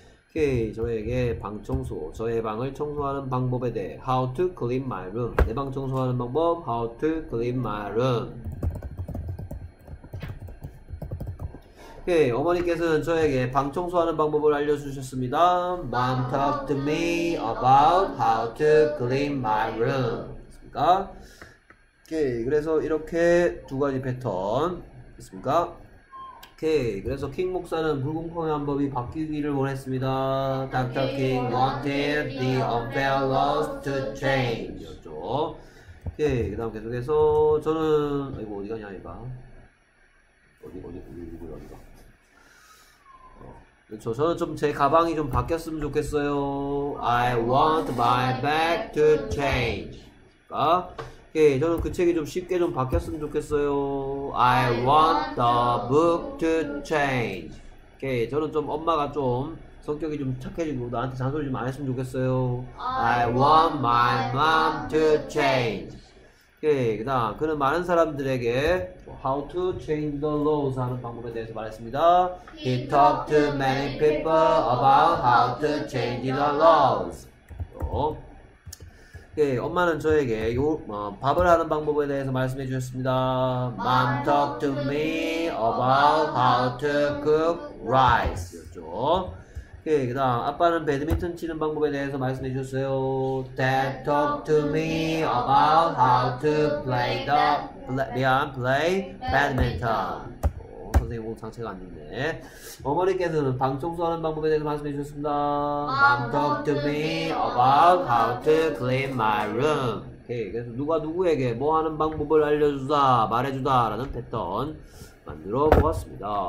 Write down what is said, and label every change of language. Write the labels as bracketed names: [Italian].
[Korean] 오케이, 저에게 방 청소, 저의 방을 청소하는 방법에 대해 [English] How to clean my room. [Korean] 내방 청소하는 방법 How to clean my room. 예, 어머니께서는 저에게 방 청소하는 방법을 알려주셨습니다. [English] Mom talked to me about how to clean my room. [Korean] 있습니까? 오케이, 그래서 이렇게 두 가지 패턴 있습니까? 오케이, 그래서 킹 목사는 불공평의 방법이 바뀌기를 원했습니다. [English] Dr. King wanted the unfair laws to change. [Korean] 이었죠. 오케이, 그 다음 계속해서 저는, 아이고, 어디 가냐, 아이가. 어디가. 그렇죠. 저는 좀제 가방이 좀 바뀌었으면 좋겠어요. [English] I want my bag to change. [Korean] 아, 예, 저는 그 책이 좀 쉽게 좀 바뀌었으면 좋겠어요. [English] I want the book to change. [Korean] 예, 저는 좀 엄마가 좀 성격이 좀 착해지고 나한테 잔소리 좀안 했으면 좋겠어요. [English] I want my mom to change. [Korean] 예, 그다음 그는 많은 사람들에게 [English] how to change the laws [Korean] 하는 방법에 대해서 말했습니다. [English] He talked to many people about how to change the laws. [Korean] 예, 엄마는 저에게 밥을 하는 방법에 대해서 말씀해 주셨습니다. [English] Mom talked to me about how to cook rice. [Korean] 그렇죠? 예, 그다음 아빠는 배드민턴 치는 방법에 대해서 말씀해 주셨어요. [English] Dad talked to me about how to play play badminton. [Korean] 선생님 오늘 상체가 안 좋네. 어머니께서는 방 청소하는 방법에 대해서 말씀해 주셨습니다. [English] Mom talked to me about how to clean my room. [Korean] 오케이, 그래서 누가 누구에게 뭐 하는 방법을 알려주다, 말해주다라는 패턴 만들어 보았습니다.